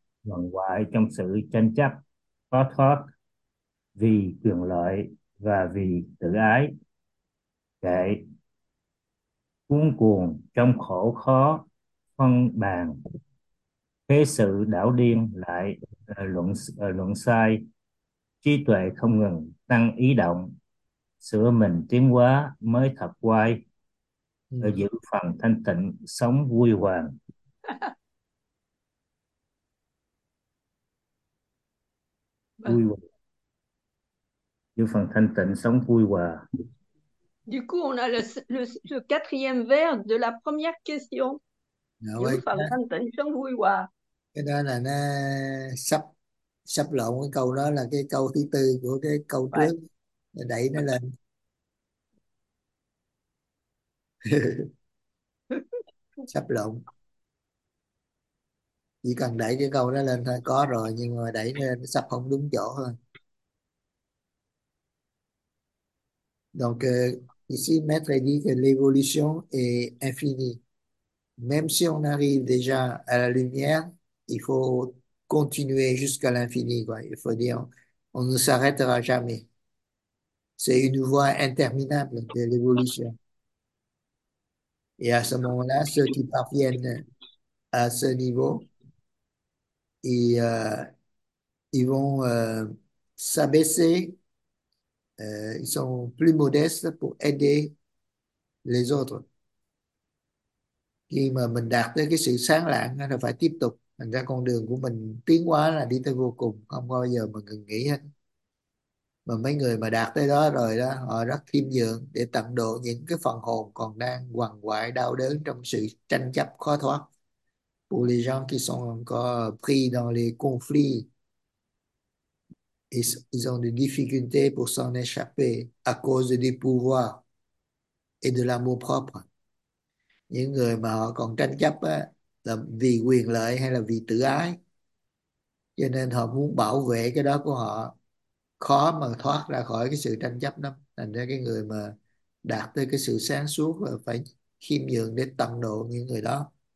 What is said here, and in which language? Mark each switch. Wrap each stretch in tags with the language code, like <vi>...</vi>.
<vi>vòng ngoại trong sự tranh chấp khó thoát vì quyền lợi và vì tự ái kệ cuống cuồng trong khổ khó phân bàn thế sự đảo điên lại luận sai trí tuệ không ngừng tăng ý động sửa mình tiến hóa mới thật quay giữ phần thanh tịnh sống vui hoàng. Vui vẻ như phần thanh tịnh sống vui hòa.</vi> <fr>Du coup, on a le quatrième vers de la première question.</fr> <vi>Giữ</vi> <fr>Ouais,</fr> <vi>phần thanh tịnh sống vui hòa. cái đó là nó sắp sắp lộn cái câu đó là cái câu thứ tư của cái câu trước đẩy nó lên sắp lộn chỉ cần đẩy cái câu đó lên thôi có rồi nhưng mà đẩy nó sắp không đúng chỗ thôi.</vi> <fr>Donc Ici, Maître dit que l'évolution est infinie. Même si on arrive déjà à la lumière, il faut continuer jusqu'à l'infini, quoi. Il faut dire, on ne s'arrêtera jamais. C'est une voie interminable de l'évolution. Et à ce moment-là, ceux qui parviennent à ce niveau, ils vont s'abaisser, ils sont plus modestes pour aider les autres.</fr> <vi>Khi mà mình đạt tới cái sự sáng lạng là phải tiếp tục. Thành ra con đường của mình tiến hóa là đi tới vô cùng, không bao giờ mà ngừng nghỉ hết. Mà mấy người mà đạt tới đó rồi đó, họ rất khiêm nhường để tận độ những cái phần hồn còn đang quằn quại đau đớn trong sự tranh chấp khó thoát.</vi> <fr>Pour les gens qui sont encore pris dans les conflits, ils ont des difficultés pour s'en échapper à cause du pouvoir et de l'amour propre.</fr> <vi>Những người mà họ còn tranh chấp á, là vì quyền lợi hay là vì tự ái, cho nên họ muốn bảo vệ cái đó của họ, khó mà thoát ra khỏi cái sự tranh chấp lắm. Thành ra cái người mà đạt tới cái sự sáng suốt là phải khiêm nhường để tận độ những người đó.</vi>